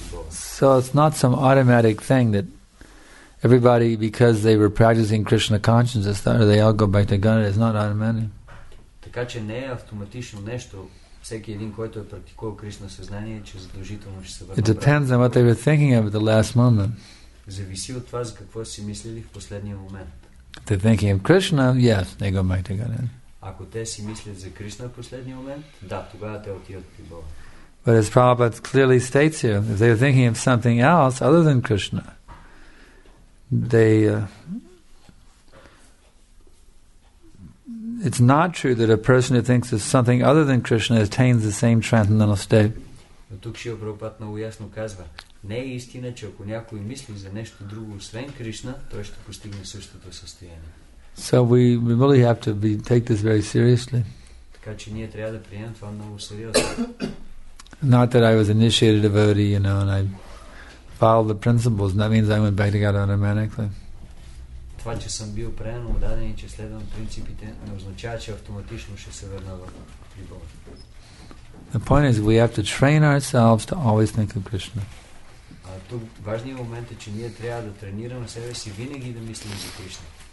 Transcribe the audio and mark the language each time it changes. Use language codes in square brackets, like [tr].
[en] So it's not some automatic thing that everybody, because they were practicing Krishna consciousness, they all go back to Godhead. It's not automatic. [bg] Така че не е автоматично нещо. Всеки един, който е практикувал Кришна съзнание, че задължително ще се върне. [en] It depends on what they were thinking of at the last moment. [bg] Зависи от това за какво си мислили в последния момент. [en] If they're thinking of Krishna, yes, they go back to Godhead. [bg] Ако те си мислят за Кришна в последния момент, да, тогава те отиват при Бога. [en] But as Prabhupada clearly states here, if they're thinking of something else other than Krishna, it's not true that a person who thinks of something other than Krishna attains the same transcendental state. [bg] Но тук Шрила Прабхупада много ясно казва, не е истина, че ако някой мисли за нещо друго освен Кришна, той ще постигне същото състояние. [en] So we really have to take this very seriously. [bg] Така че ние трябва да приемем това много сериозно. [en] Not that I was initiated a devotee, you know, and I follow the principles, and that means I went back to God automatically. [bg] Това, че съм бил приемен, отдаден и че следвам принципите, не означава, че автоматично ще се върна в Бога. [en] The point is, we have to train ourselves to always think of Krishna. [bg] А тук важният момент е, че ние трябва да тренираме себе си винаги да мислим за Кришна.